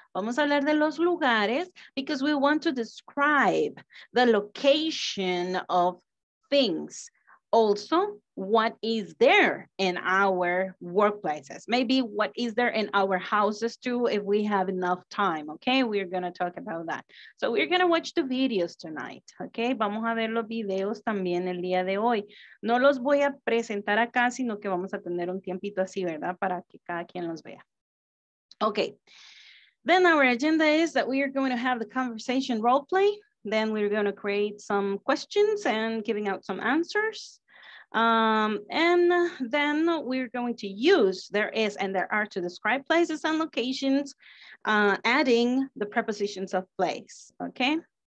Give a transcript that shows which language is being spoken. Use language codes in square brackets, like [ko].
[es] Vamos a hablar de los lugares, [en] because we want to describe the location of things. Also, what is there in our workplaces? Maybe what is there in our houses too, if we have enough time, okay? We're going to talk about that. So we're going to watch the videos tonight, okay? [es] Vamos a ver los videos también el día de hoy. No los voy a presentar acá, sino que vamos a tener un tiempito así, ¿verdad? Para que cada quien los vea. Okay. [en] Then our agenda is that we are going to have the conversation role play. Then we're going to create some questions and giving out some answers. And then we're going to use there is and there are to describe places and locations, adding the prepositions of place, okay?